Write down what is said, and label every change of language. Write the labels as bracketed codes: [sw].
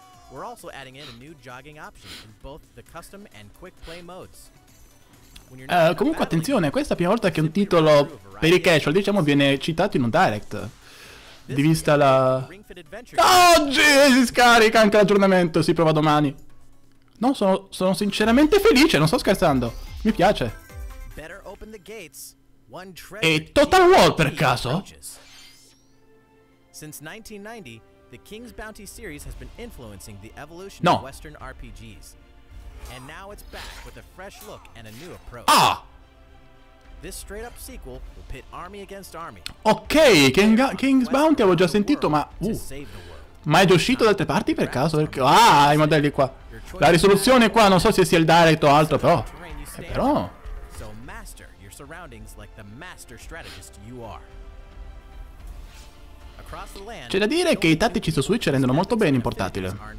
[en] We're also adding in a new jogging option in both the custom and quick play modes. [it] Comunque attenzione, questa è la prima volta che un titolo per i casual, diciamo, viene citato in un direct. Di vista la... Oggi si scarica anche l'aggiornamento, si prova domani. No, sono sinceramente felice, non sto scherzando. Mi piace. E Total War per caso? [en] Since 1990, the King's Bounty series has been influencing the evolution [it] no. [en] of Western RPGs. And now it's back with a fresh look and a new approach. Ah! This straight up sequel will pit army against army. [it] Ok, King's Bounty avevo già sentito, ma ma è già uscito da altre parti per caso? Perché, i modelli qua. La risoluzione qua, non so se sia il direct o altro, però. Però. [en] So master your surroundings like the master strategist you are. [it] C'è da dire che i tattici su Switch rendono molto bene in portatile.